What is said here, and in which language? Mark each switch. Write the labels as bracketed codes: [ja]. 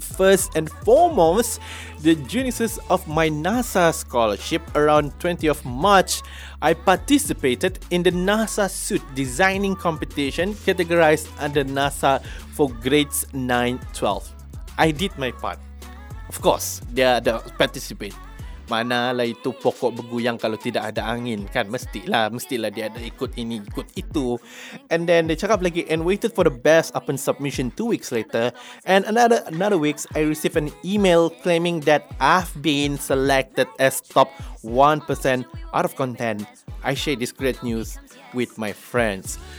[en] First and foremost, the genesis of my NASA scholarship around 20th of March, I participated in the NASA suit designing competition categorized under NASA for grades 9-12. I did my part. Of course, [ms] dia ada participate. Manalah itu pokok berguyang kalau tidak ada angin kan, mestilah dia ada ikut ini ikut itu. [en] And then [ms] dia cakap lagi, [en] and waited for the best upon submission 2 weeks later, and another weeks I received an email claiming that I've been selected as top 1% out of content. I share this great news with my friends.